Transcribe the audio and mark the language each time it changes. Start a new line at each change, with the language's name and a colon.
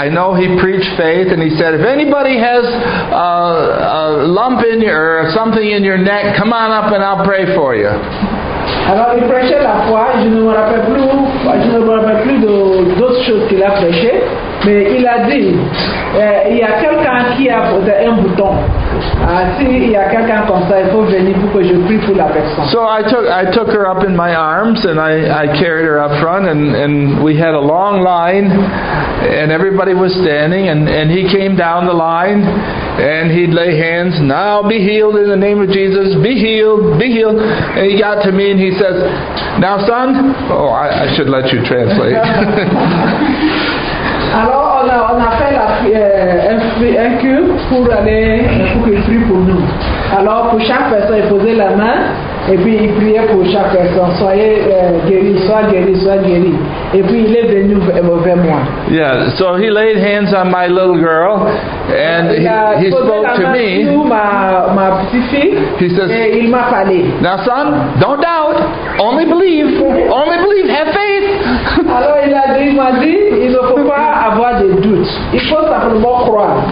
English: I know he preached faith, and he said, if anybody has a lump in your or something in your neck, come on up and I'll pray for you.
French: Alors il prêchait la foi, je ne me rappelle plus d'autres choses qu'il a prêché, mais il a dit, il y a quelqu'un qui a un bouton. Si il y a quelqu'un comme ça, il faut venir pour que je prie pour la personne.
English: So I took her up in my arms and I carried her up front and we had a long line and everybody was standing and he came down the line. And he'd lay hands, now be healed in the name of Jesus, be healed, be healed. And he got to me and he says, now son, I should let you translate.
French: Alors on a fait un cul pour aller pour qu'il prie pour nous. Alors pour chaque personne, il posait la main et puis il priait pour chaque personne. Soyez guéri, soit guéri, soit guéri. Et puis il est venu vers moi.
English: Yeah, so he laid hands on my little girl and he spoke to me.
French: Il a posé la main sur ma petite fille.
English: He says,
French: et il m'a parlé.
English: Now son, don't doubt, only believe, only believe, have faith.
French: Alors il m'a dit, il ne faut pas avoir des doutes. Il faut simplement croire.